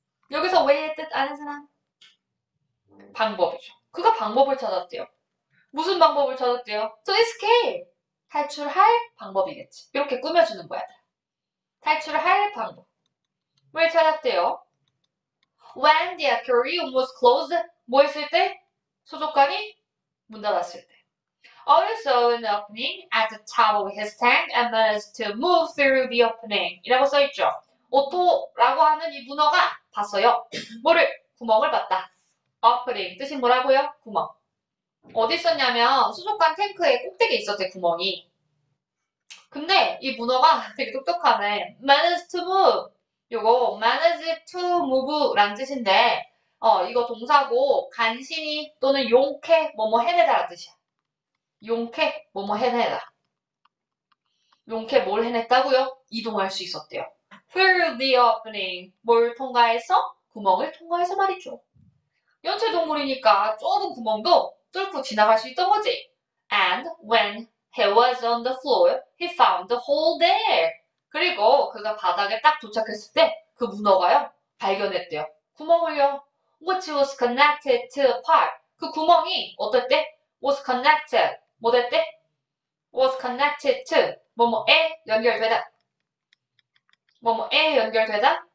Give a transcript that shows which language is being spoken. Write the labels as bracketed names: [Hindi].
[Korean] 여기서 왜의 뜻 아는 사람? 방법이죠. 그가 방법을 찾았대요. 무슨 방법을 찾았대요? [English] To escape. [Korean] 탈출할 방법이겠지. 이렇게 꾸며주는 거야. 탈출할 방법. 왜 찾았대요? [English] When the aquarium was closed, [Korean] 뭐 했을 때? 수족관이 문 닫았을 때. [English] Also, an opening at the top of his tank emerged to move through the opening. [Korean] 이라고 써있죠. 오토라고 하는 이 문어가 봤어요. 뭐를? 구멍을 봤다. Opening. 뜻이 뭐라고요? 구멍. 어디 있었냐면, 수족관 탱크에 꼭대기에 있었대, 구멍이. 근데, 이 문어가 되게 똑똑하네. [English] Managed to move. [Korean] 요거, managed to move 란 뜻인데, 이거 동사고, 간신히 또는 용케, 뭐뭐 해내다 란 뜻이야. 용케, 뭐뭐 해내다. 용케 뭘 해냈다고요? 이동할 수 있었대요. [English] Through the opening. [Korean] 뭘 통과해서? 구멍을 통과해서 말이죠. 연체 동물이니까 좁은 구멍도 뚫고 지나갈 수 있던 거지. [English] And when he was on the floor, he found the hole there. [Korean] 그리고 그가 바닥에 딱 도착했을 때그 문어가요, 발견했대요. 구멍을요. [English] Which was connected to a pipe. [Korean] 그 구멍이 어땠대? [English] Was connected. [Korean] 뭐 됐대? [English] Was connected to. [Korean] 뭐뭐에 연결되다. 뭐뭐에 연결되다.